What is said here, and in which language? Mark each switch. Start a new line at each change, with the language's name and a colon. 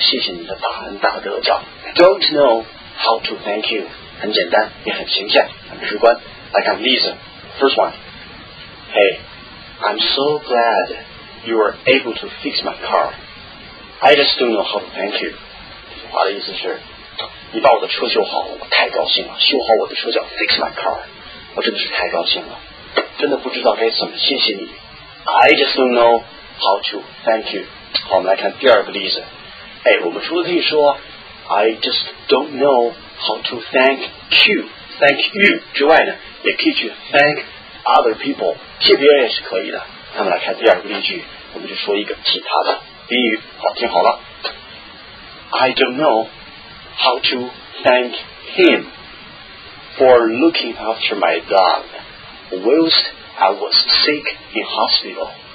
Chinese: 他的意思是表示，我真不知该怎么谢谢你，你帮了我。我会说，我真不知该怎么谢谢你的大恩大德叫。
English: Don't know how to thank you.
Chinese: 很简单，也很形象，很直观。来看例子。
English: First one. Hey, I'm so glad you were able to fix my car. I just don't know how to thank you.
Chinese: 这句话的意思是，你把我的车修好了，我太高兴了。修好我的车叫
English: fix my car。
Chinese: 我真的是太高兴了，真的不知道该怎么谢谢你。
English: I just don't know how to thank you.
Chinese: 好，我们来看第二个例子。哎，我们除了可以说
English: I just don't know how to thank you
Chinese: 之外呢，也可以去
English: thank other people，
Chinese: 谢别人也是可以的。那么来看第二个例句，我们就说一个其他的宾语。好，听好了。
English: I don't know how to thank him. For looking after my dog whilst I was sick in hospital.